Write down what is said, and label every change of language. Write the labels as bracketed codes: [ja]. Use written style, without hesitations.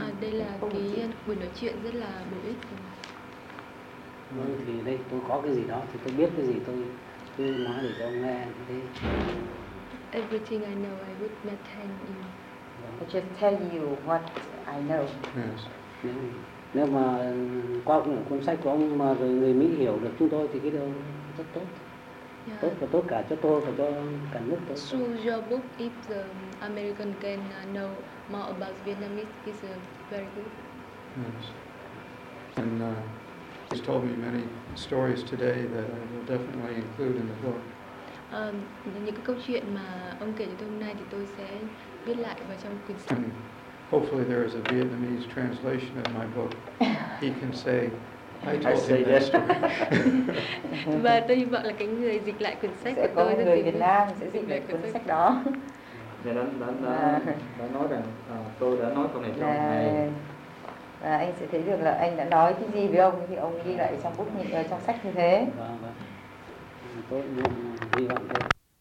[vi] À, đây là cái buổi nói chuyện rất là bổ ích. Vâng, thì đây tôi có cái gì đó thì tôi biết cái gì tôi nói để cho ông nghe thế. [en] Everything I know, I would not tell you. I just tell you what I know. Yes. [vi] Nếu mà qua cuốn sách của ông mà rồi người Mỹ hiểu được chúng tôi thì cái điều rất tốt. [en] Yeah. [vi] Tốt và tốt cả cho tôi và cho cả nước tôi. [en] So your book, if the American can know more about Vietnamese, is very good. Yes. And he's told me many stories today that I will definitely include in the book. [vi] Những cái câu chuyện mà ông kể cho tôi hôm nay thì tôi sẽ viết lại vào trong cuốn sách. [en] And hopefully there is a Vietnamese translation of my book. He can say, I told him that story. [vi] Và tôi hy vọng là cái người dịch lại quyển sách sẽ của tôi. Sẽ có người Việt Nam sẽ dịch lại quyển sách đó. Và đã nói rằng tôi đã nói câu này cho ông này. Và anh sẽ thấy được là anh đã nói cái gì với ông thì ông ghi lại trong bút, trong sách như thế. Vâng, vâng. Tôi hy vọng thôi.